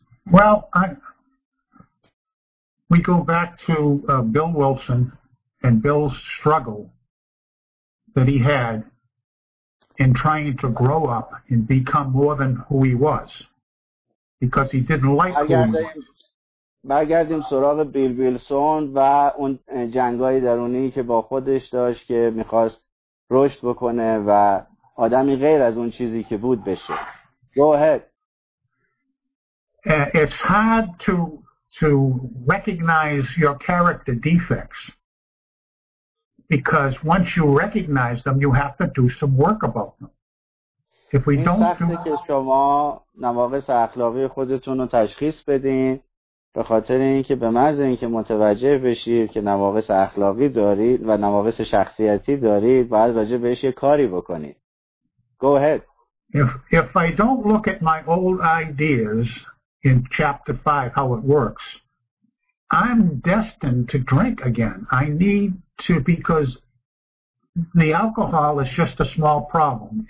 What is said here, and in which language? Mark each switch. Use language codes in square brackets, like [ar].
[en] Well, we go back to Bill Wilson and Bill's struggle that he had in trying to grow up and become more than who he was because he didn't like who he was. [fa] برگردیم سراغ بیل ویلسون و اون جنگای درونی که با خودش داشت که میخواست رشد بکنه و آدمی غیر از اون چیزی که بود بشه. [en] Go ahead. It's hard to recognize your character defects because once you recognize them, you have to do some work about them. If we don't [fa] سخته [en] do... [fa] که شما نواقص اخلاقی خودتون رو تشخیص بدین به خاطر اینکه به محض اینکه متوجه بشید که نواقص اخلاقی دارید و نواقص شخصیتی دارید باید راجع بهش یه کاری بکنید. [en] Go ahead. If I don't look at my old ideas in chapter 5 how it works, I'm destined to drink again. I need to because the alcohol is just a small problem.